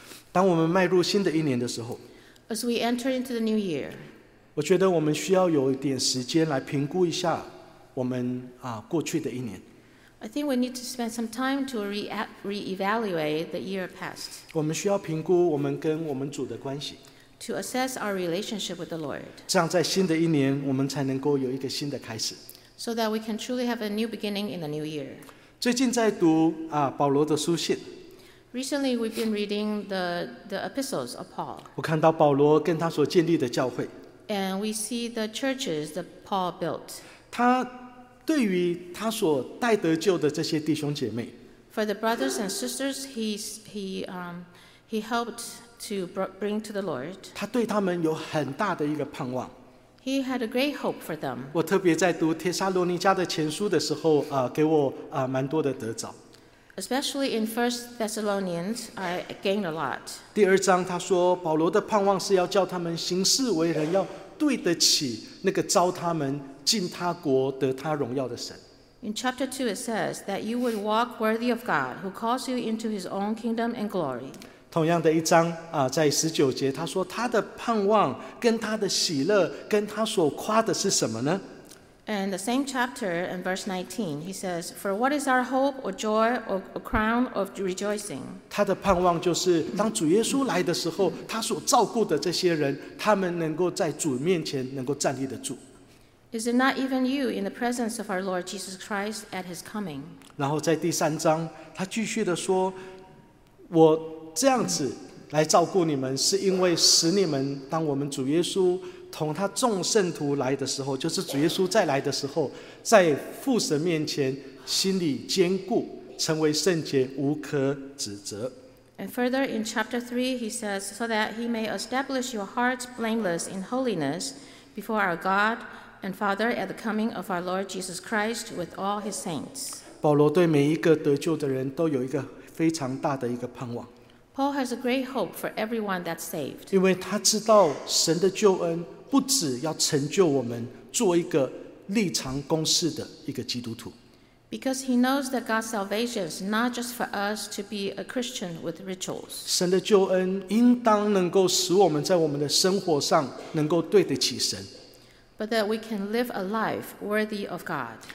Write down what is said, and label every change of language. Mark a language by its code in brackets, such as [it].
[zh] 当我们迈入新的一年的时候， [en] As we enter into the new year, [zh] 我觉得我们需要有一点时间来评估一下我们过去的一年。 [en] I think we need to spend some time to re-evaluate the year past. [zh] 我们需要评估我们跟我们主的关系。 [en] To assess our relationship with the Lord. [zh] 这样在新的一年，我们才能够有一个新的开始。 [en] So that we can truly have a new beginning in the new year. [zh] 最近在读保罗的书信。 [en] Recently, we've been reading the epistles of Paul. [zh] 我看到保罗跟他所建立的教会。 [en] And we see the churches that Paul built. [zh] 他对于他所带得救的这些弟兄姐妹， [en] For the brothers and sisters he helped to bring to the Lord. [zh] 他对他们有很大的一个盼望。 [en] He had a great hope for them. [zh] 我特别在读帖撒罗尼迦的前书的时候，给我蛮多的得着。 [en] Especially in 1 Thessalonians, I gained a lot. [zh] 第二章他说，保罗的盼望是要叫他们行事为人，要对得起那个召他们进他国得他荣耀的神。 [en] In chapter 2 it says that you would walk worthy of God who calls you into his own kingdom and glory. [zh] 同样的一章在19节他说他的盼望跟他的喜乐跟他所夸的是什么呢？ [en] And the same chapter in verse 19 he says for what is our hope or joy or crown of rejoicing? [zh] 他的盼望就是当主耶稣来的时候他所照顾的这些人他们能够在主面前能够站立得住。 [en] Is it not even you in the presence of our Lord Jesus Christ at his coming? [zh] 然后在第三章，他继续的说，我这样子来照顾你们，是因为使你们，当我们主耶稣同他众圣徒来的时候，就是主耶稣再来的时候，在父神面前心里坚固，成为圣洁，无可指责。 [en] And further in chapter 3, he says, so that he may establish your hearts blameless in holiness before our God and Father at the coming of our Lord Jesus Christ with all his saints. [zh] 保罗对每一个得救的人都有一个非常大的一个盼望。 [en] Paul has a great hope for everyone that's saved. [zh] 因为他知道神的救恩不只要成就我们做一个立场公事的一个基督徒。 [en] Because he knows that God's salvation is not just for us to be a Christian with rituals. [zh] 神的救恩应当能够使我们在我们的生活上能够对得起神。 [en] But that we can live a life worthy of God.